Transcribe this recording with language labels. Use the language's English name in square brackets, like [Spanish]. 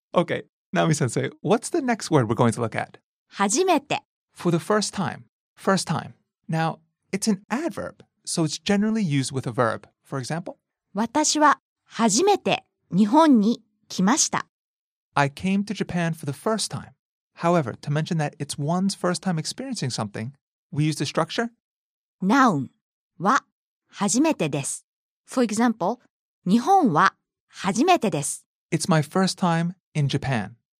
[English] Okay, Naomi-sensei, what's the next word we're going to look at? [Japanese] 初めて。 [English] For the first time. First time. Now, it's an adverb, so it's generally used with a verb. For example, [Japanese] 私は初めて日本に来ました。 [English] I came to Japan for the first time. However, to mention that it's one's first time experiencing something, we use the structure [Japanese] Noun は初めてです。 [English] For example, [Japanese] 日本は初めてです。 [English] It's my first time in Japan.